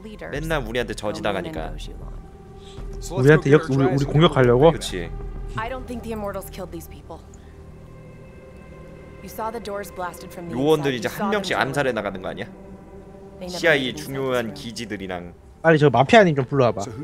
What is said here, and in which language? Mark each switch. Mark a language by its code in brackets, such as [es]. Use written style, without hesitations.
[ko] 맨날 우리한테 저지당하니까. 우리한테 역 우리 공격하려고. 그렇지. [en] I don't think the immortals killed these people. You saw the doors blasted from the inside. [ko] 요원들이 이제 한 명씩 암살해 나가는 거 아니야? CIA 중요한 기지들이랑. 빨리 저 마피아님 좀 불러 와 봐.